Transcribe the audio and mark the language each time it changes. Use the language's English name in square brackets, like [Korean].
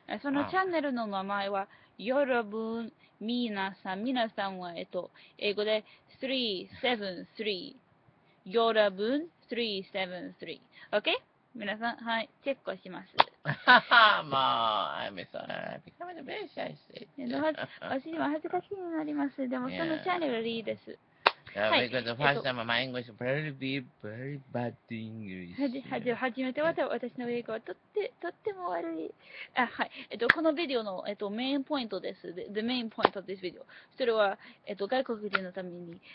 [Japanese] そのチャンネルの名前は、よろぶん、みなさん。みなさんは、英語で、373。よろぶん、373。OK? みなさん、はい、チェックします。はは、まあ、 [English] I'm sorry. I'm becoming a bit shy, see. [Japanese] 私には恥ずかしいになります。でも、そのチャンネルでいいです。 [English] Yeah, because the first time my English is very, very, very bad English. [Japanese] 初めては私の英語はとっても悪い。あ、はい。このビデオの、メインポイントです。 [English] The main point of this video. [Japanese] それは、外国人のために。